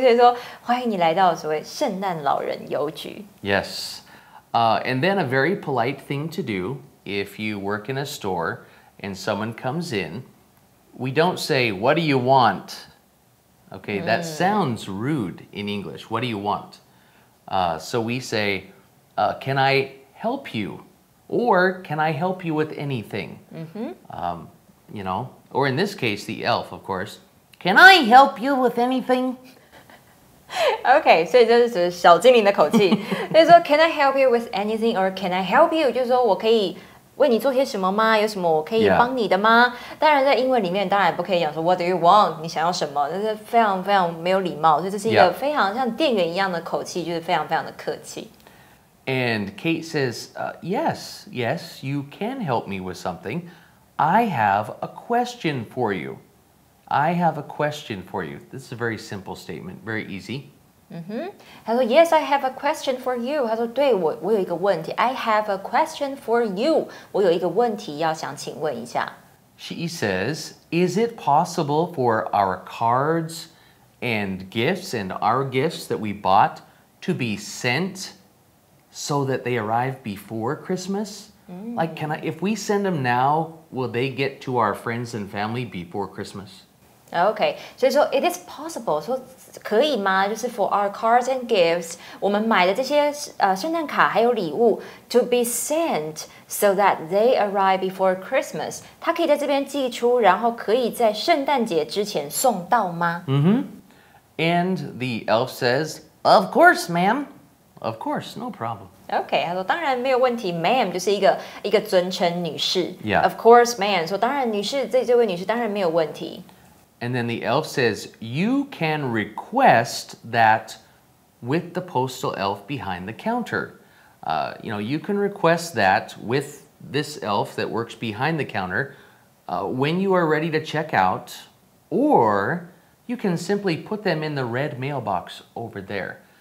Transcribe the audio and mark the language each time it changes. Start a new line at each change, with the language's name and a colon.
Chinese: 所以说，欢迎你来到所谓圣诞老人邮局。
English: Yes. And then a very polite thing to do if you work in a store and someone comes in, we don't say, what do you want? Okay, that sounds rude in English. What do you want? So we say, can I help you? Or can I help you with anything? Mm-hmm. You know, or in this case, the elf, of course. Can I help you with anything? Okay,
Chinese: 所以这是小精灵的口气。所以说
English: can I help you with anything? Or can I help you?
Chinese: 就是说我可以为你做些什么吗？有什么我可以帮你的吗？
English: Yeah.
Chinese: 当然在英文里面当然不可以讲说
English: what do you want?
Chinese: 你想要什么？这是非常非常没有礼貌。所以这是一个非常像店员一样的口气，就是非常非常的客气。
English: And Kate says, yes, yes, you can help me with something. I have a question for you. I have a question for you. This is a very simple statement, very easy. Mm-hmm.
Chinese: 他说
English: yes, I have a question for you.
Chinese: 他说对 我有一个问题。
English: I have a question for you.
Chinese: 我有一个问题要想请问一下。
English: She says, is it possible for our cards and gifts and our gifts that we bought to be sent so that they arrive before Christmas? Mm. Like, can I, if we send them now, will they get to our friends and family before Christmas? Okay, so it is possible. So,
Chinese: 可以吗？就是
English: for our cards and gifts,
Chinese: 我们买的这些圣诞卡还有礼物
English: to be sent so that they arrive before Christmas.
Chinese: 它可以在这边寄出，然后可以在圣诞节之前送到吗？
English: Mm-hmm. And the elf says, of course, ma'am. Of course, no problem.
Chinese: Okay, 他说当然没有问题 ,ma'am 就是一个尊称女士。
English: Yeah. Of course, ma'am.
Chinese: 说当然女士这位女士当然没有问题。
English: And then the elf says, you can request that with the postal elf behind the counter. You know, you can request that with this elf that works behind the counter when you are ready to check out, or you can simply put them in the red mailbox over there.